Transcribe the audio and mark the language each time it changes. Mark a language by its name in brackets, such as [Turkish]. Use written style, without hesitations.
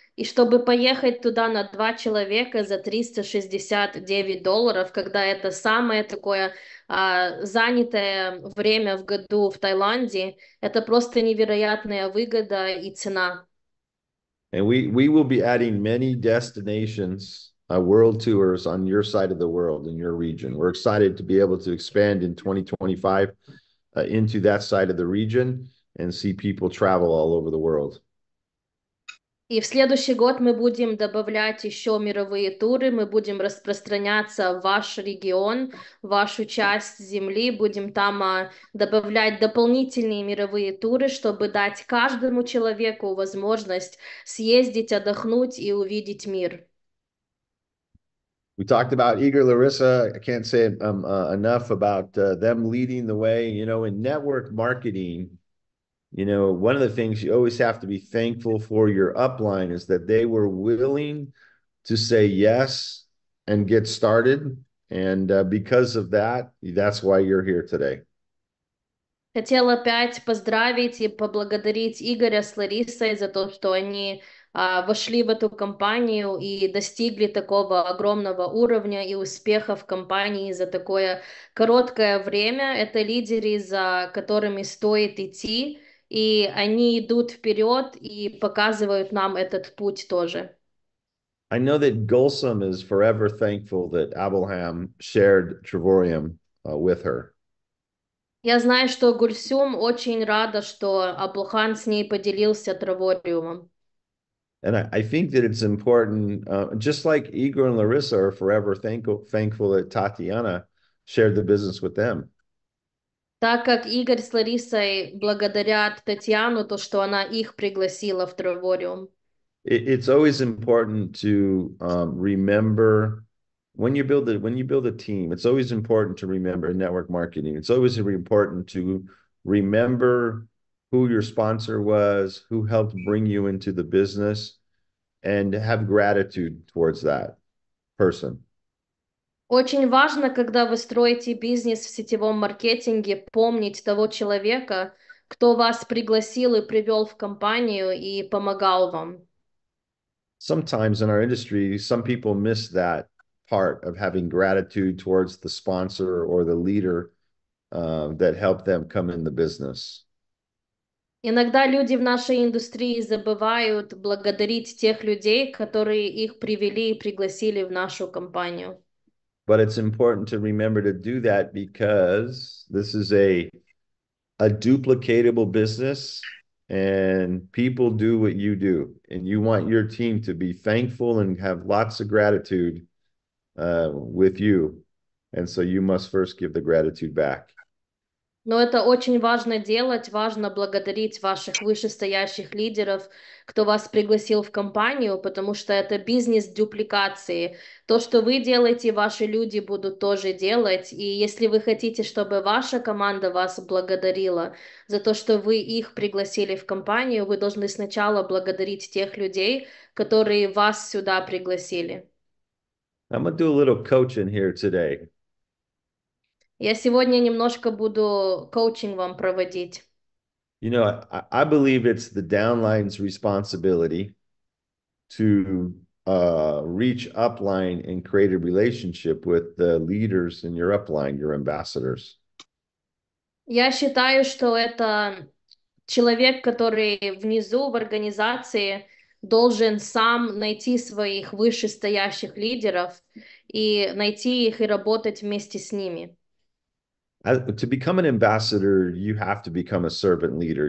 [Russian] И чтобы поехать туда на 2 человека за $369, когда это самое такое занятое время в году в Таиланде, это просто невероятная выгода и цена. [English] And we will be adding many destinations, world tours on your side of the world, in your region. We're excited to be able to expand in 2025 into that side of the region and see people travel all over the world. [Russian] И в следующий год мы будем добавлять еще мировые туры, мы будем распространяться в ваш регион, в вашу часть земли, будем там добавлять дополнительные мировые туры, чтобы дать каждому человеку возможность съездить, отдохнуть и увидеть мир. [English] We talked about Eager Larissa. I can't say enough about them leading the way. You know, in network marketing, you know, one of the things you always have to be thankful for your upline is that they were willing to say yes and get started. And because of that, that's why you're here today. [Russian] Хотел опять поздравить и поблагодарить Игоря с Ларисой за то, что они вошли в эту компанию и достигли такого огромного уровня и успеха в компании за такое короткое время. Это лидеры, за которыми стоит идти, и они идут вперед и показывают нам этот путь тоже. [English] I know that Gulsum is forever thankful that Abelham shared Trevorium with her. [Russian] Я знаю, что Гульсум очень рада, что Абулхан с ней поделился Травориумом. [English] And I think that it's important, just like Igor and Larissa are forever thankful that Tatiana shared the business with them. [Russian] Так как Игорь с Ларисой благодарят Татьяну, то, что она их пригласила в Травориум. [English] It's always important to remember when you build a team, it's always important to remember in network marketing. It's always important to remember who your sponsor was, who helped bring you into the business, and have gratitude towards that person. [Russian] Очень важно, когда вы строите бизнес в сетевом маркетинге, помнить того человека, кто вас пригласил и привел в компанию и помогал вам. [English] Sometimes in our industry, some people miss that part of having gratitude towards the sponsor or the leader that helped them come in the business. [Russian] Иногда люди в нашей индустрии забывают благодарить тех людей, которые их привели и пригласили в нашу компанию. [English] But it's important to remember to do that because this is a duplicatable business. And people do what you do, and you want your team to be thankful and have lots of gratitude with you. And so you must first give the gratitude back. [Russian] Но это очень важно делать, важно благодарить ваших вышестоящих лидеров, кто вас пригласил в компанию, потому что это бизнес дупликации. То, что вы делаете, ваши люди будут тоже делать. И если вы хотите, чтобы ваша команда вас благодарила за то, что вы их пригласили в компанию, вы должны сначала благодарить тех людей, которые вас сюда пригласили. [English] I'm gonna do a little coaching here today. [Russian] Я сегодня немножко буду коучинг вам проводить. [English] You know, I believe it's the downline's responsibility to reach upline and create a relationship with the leaders in your upline, your ambassadors. [Russian] Я считаю, что это человек, который внизу в организации, должен сам найти своих вышестоящих лидеров и найти их и работать вместе с ними. [English] To become an ambassador, you have to become a servant leader.